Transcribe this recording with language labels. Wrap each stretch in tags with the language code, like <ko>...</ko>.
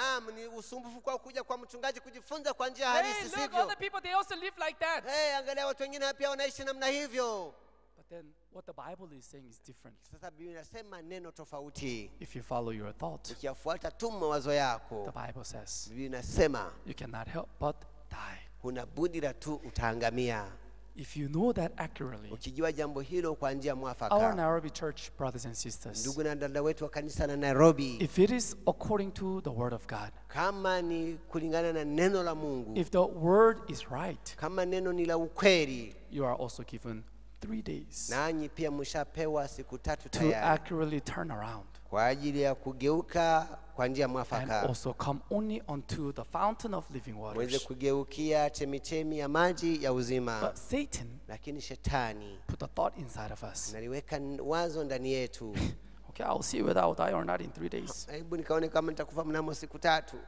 <sw>Naam, ni usumbufu kwa kuja kwa mchungaji kujifunza kwa njia halisi sivyo?</sw> <en>Hey, look, all the people, they also live like that.</en> <sw>Hey, angalia watu wengine hapa wanaishi namna hivyo.</sw> <en>But then what the Bible is saying is different.</en> <sw>Sasa Biblia inasema neno tofauti.</sw> <en>If you follow your thought.</en> <sw>Ukifuata tu mawazo yako.</sw> <en>The Bible says.</en> <sw>Biblia inasema.</sw> <en>You cannot help but die.</en> <sw>Huna budi la tu utaangamia.</sw> <en>If you know that accurately,</en> <sw>ukijua jambo hilo kwa njia mwafaka,</sw> <en>our Nairobi church brothers and sisters,</en> <sw>ndugu na dada wetu wa kanisa na Nairobi,</sw> <en>if it is according to the word of God,</en> <sw>kama ni kulingana na neno la Mungu,</sw> <en>if the word is right,</en> <sw>kama neno ni la ukweli,</sw> <en>you are also given 3 days,</en> <sw>nanyi pia mshapewa siku tatu tayari,</sw> <en>to accurately turn around,</en> <sw>kwa ajili ya kugeuka kwa njia mwafaka,</sw> <en>and also come only unto the fountain of living waters,</en> <sw>uweze kugeukia chemichemi ya maji ya uzima.</sw> <en>But Satan,</en> <sw>lakini shetani,</sw> <en>put a thought inside of us,</en> <sw>naliweka wazo ndani yetu.</sw> <en>Okay, I'll see whether I'll die or not in 3 days.</en> <sw>Hebu nikaone kama nitakufa mnamo siku tatu.</sw>